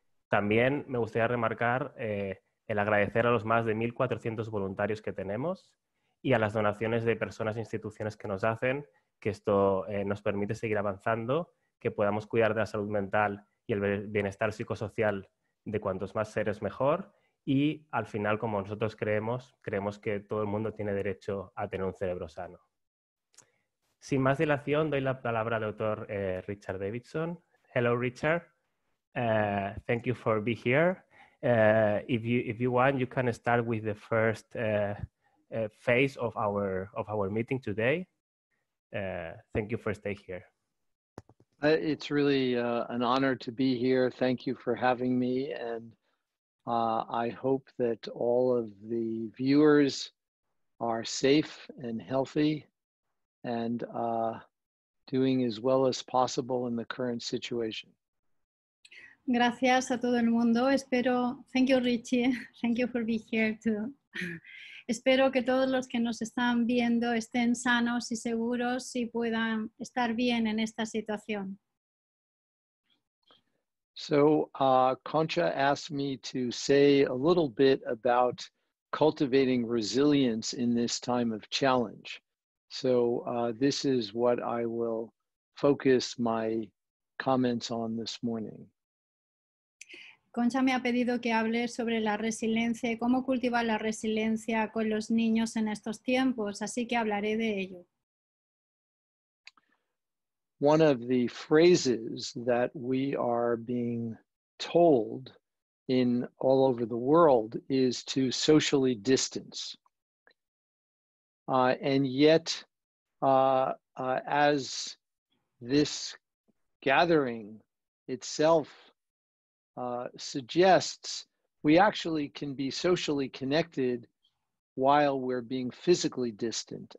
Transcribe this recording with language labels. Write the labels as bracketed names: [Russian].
[Spanish] También me gustaría remarcar el agradecer a los más de 1.400 voluntarios que tenemos y a las donaciones de personas e instituciones que nos hacen, que esto nos permite seguir avanzando, que podamos cuidar de la salud mental y el bienestar psicosocial de cuantos más seres mejor. Y al final, como nosotros creemos que todo el mundo tiene derecho a tener un cerebro sano. Sin más dilación, doy la palabra al doctor Richard Davidson. [English] Hello, Richard. Thank you for being here. If you want, you can start with the first phase of our meeting today. Thank you for staying here. It's really an honor to be here. Thank you for having me. And I hope that all of the viewers are safe and healthy and doing as well as possible in the current situation. [Spanish] Gracias a todo el mundo. [English] Thank you, Richie. Thank you for being here too. [Spanish] Espero que todos los que nos están viendo estén sanos y seguros y puedan estar bien en esta situación. [English] So Concha asked me to say a little bit about cultivating resilience in this time of challenge. So this is what I will focus my comments on this morning. [Spanish] Concha me ha pedido que hable sobre la resiliencia y cómo cultivar la resiliencia con los niños en estos tiempos, así que hablaré de ello. [English] One of the phrases that we are being told in all over the world is to socially distance. And yet, as this gathering itself suggests, we actually can be socially connected while we're being physically distant.